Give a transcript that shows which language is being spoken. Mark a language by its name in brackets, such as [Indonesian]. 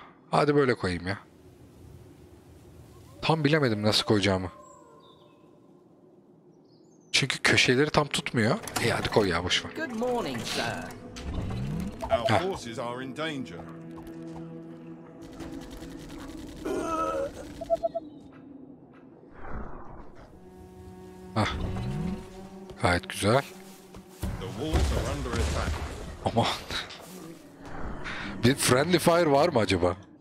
[Turkish] Hadi böyle koyayım ya. Tam bilemedim nasıl koyacağımı. Çünkü köşeleri tam tutmuyor. İyi hadi koy ya, boşver. [English] Good morning, sir. Our horses are in danger. [Turkish] Ah. Gayet güzel. [English] The walls are under attack. [Turkish] Aman. Bir friendly fire var mı acaba?